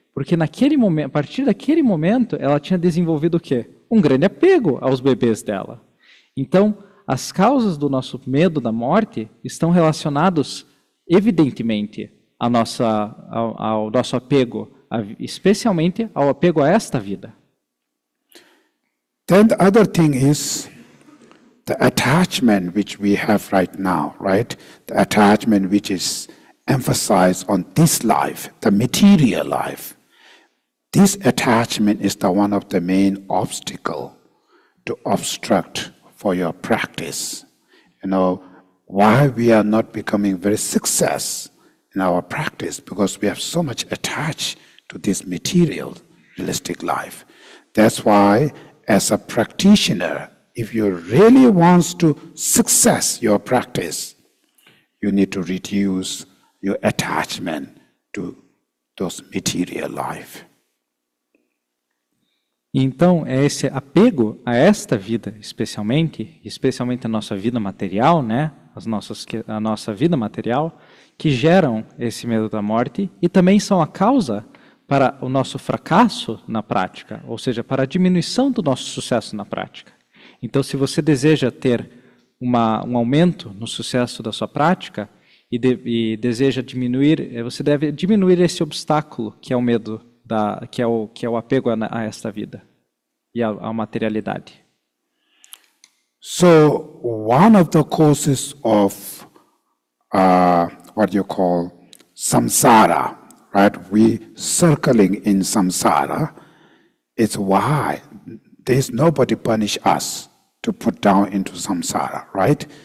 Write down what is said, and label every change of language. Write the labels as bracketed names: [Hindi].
[Portuguese] Porque naquele momento, a partir daquele momento, ela tinha desenvolvido o quê? Um grande apego aos bebês dela. Então, as causas do nosso medo da morte estão relacionadas, evidentemente, ao nosso apego, especialmente ao apego a esta vida. [English] Then the other thing is the attachment which we have right now, right? The attachment which is emphasized on this life, the material life. This attachment is the one of the main obstacle to obstruct for your practice. You know, why we are not becoming very success in our practice, because we have so much attached to this material, realistic life. That's why, as a practitioner, if you really want to success your practice, you need to reduce your attachment to those material life. [Portuguese] Então, é esse apego a esta vida, especialmente a nossa vida material, né? A nossa vida material, que geram esse medo da morte e também são a causa para o nosso fracasso na prática, ou seja, para a diminuição do nosso sucesso na prática. Então, se você deseja ter um aumento no sucesso da sua prática e deseja diminuir, você deve diminuir esse obstáculo que é o medo, que é o apego a esta vida e à materialidade. [English] So, one of the causes of what you call samsara, right? We circling in samsara. It's why there's nobody punish us to put down into samsara, right?